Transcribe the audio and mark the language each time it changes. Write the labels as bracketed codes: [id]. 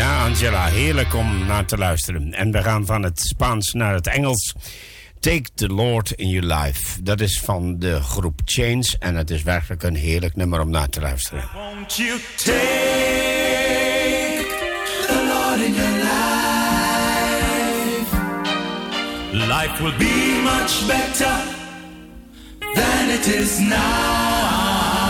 [nl] Angela, heerlijk om naar te luisteren. En we gaan van het Spaans naar het Engels. [en] Take the Lord in your life. [nl] Dat is van de groep Chains. En het is werkelijk een heerlijk nummer om naar te luisteren. [en] Won't you take the Lord in your life? Life will be much better than it is now.